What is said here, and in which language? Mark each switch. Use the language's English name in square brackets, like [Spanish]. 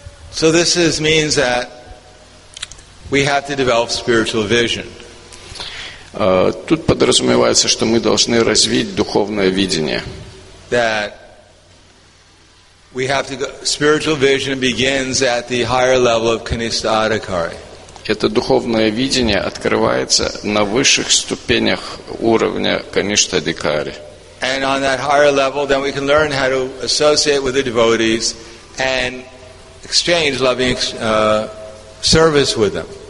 [English] So this is, means that we have to develop spiritual vision. [Russian] Тут подразумевается, что мы должны развить духовное видение. [English] That we have to go, spiritual vision begins at the higher level of kanishadhikari. [Russian] Это духовное видение открывается на высших ступенях уровня kanishadhikari. [English] And on that higher level, then we can learn how to associate with the devotees and exchange loving service with them.